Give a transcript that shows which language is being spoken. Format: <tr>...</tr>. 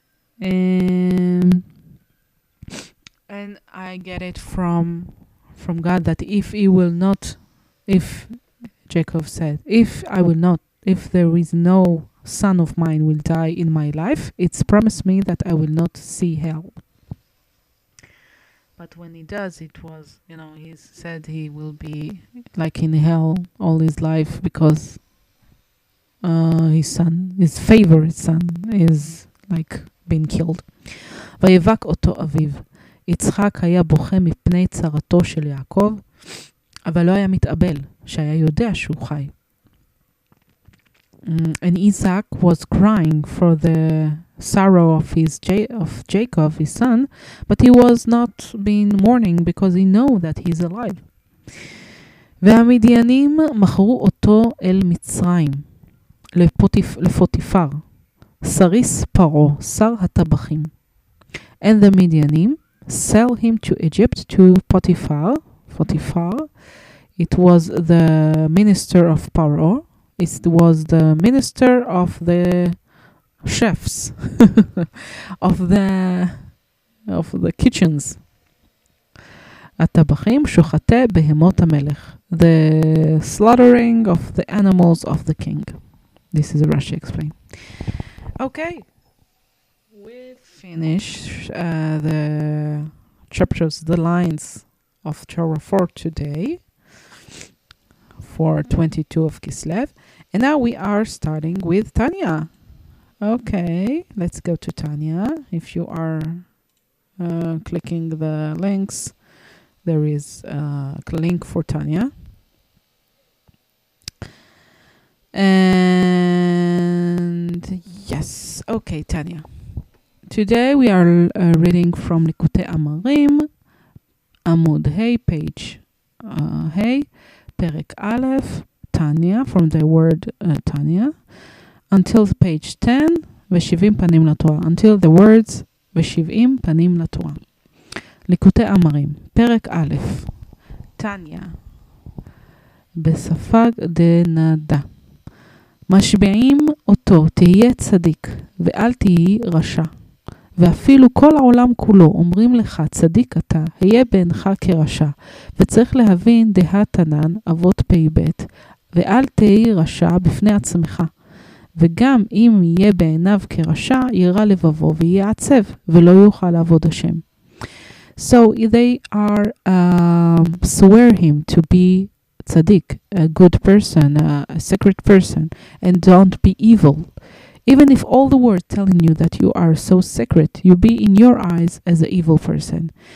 <en>And I get it from God that if there is no son of mine will die in my life, it's promised me that I will not see hell. But when he does, it was, you know, he said he will be like in hell all his life because his son, his favorite son, is like been killed.</en> <he>ויבק אותו אביו. יצחק היה בוכה מפני צרתו של יעקב, אבל לא היה מתאבל, שהיה יודע שהוא חי.</he> <en>And Isaac was crying for the sorrow of Jacob, his son, but he was not being mourning because he knew that he's alive.</en> <he>והמדיינים מכרו אותו אל מצרים, לפוטיפר, סריס פרו, שר הטבחים.</he> <en>And the מדיינים sell him to Egypt, to Potiphar, it was the minister of Paro, it was the minister of the chefs of the kitchens.</en> <he>הטבחים שוחטי בהמות המלך.</he> <en>The slaughtering of the animals of the king. This is a Rashi explain. Okay. We finish the chapters, the lines of Torah for today. For 22 of Kislev. And now we are starting with Tanya. Okay, let's go to Tanya. If you are clicking the links, there is a link for Tanya. And yes, okay, Tanya. Today we are reading from Likutei Amarim, Amud Hey, page Hey, Perek Aleph, Tanya, from the word Tanya. Until page 10,</en> <he>ושבעים פנים לתורה.</he> <en>Until the words,</en> <he>ושבעים פנים לתורה. ליקוטי אמרים, פרק א', תניה, בשפה דנדה. משביעים אותו, תהיה צדיק, ואל תהיה רשע. ואפילו כל העולם כולו אומרים לך, צדיק אתה, היה בעינך כרשע. וצריך להבין דהת ענן, אבות פי בית, ואל תהיה רשע בפני עצמך. וגם אם יהיה בעיניו כרשע, יירא לבבו ויהיה עצב, ולא יוכל לעבוד השם.</he> <en>So they are swear him to be tzaddik, a good person, a sacred person, and don't be evil. Even if all the world telling you that you are so sacred, you be in your eyes as an evil person.</en>